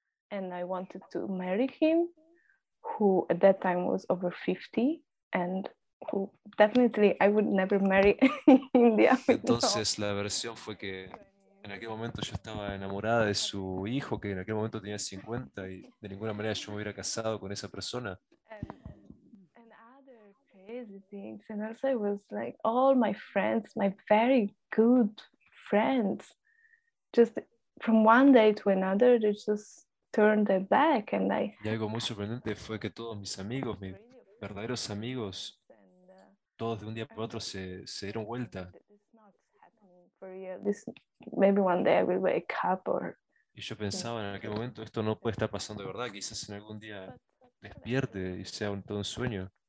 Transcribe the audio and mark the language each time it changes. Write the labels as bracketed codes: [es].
[en] And I wanted to marry him, who at that time was over 50, and who definitely I would never marry in India. [es] Entonces la versión fue que en aquel momento yo estaba enamorada de su hijo, que en aquel momento tenía 50, y de ninguna manera yo me hubiera casado con esa persona. [en] And other crazy things. And also it was like all my friends, my very good friends, just from one day to another, they just turned their back. And I... [es] Y algo muy sorprendente fue que todos mis amigos, mis verdaderos amigos, todos de un día para otro se dieron vuelta. [en] For real, this maybe one day I will wake up or. [es] Y yo pensaba en aquel momento esto no puede estar pasando de verdad, quizás en algún día despierte y sea todo un sueño.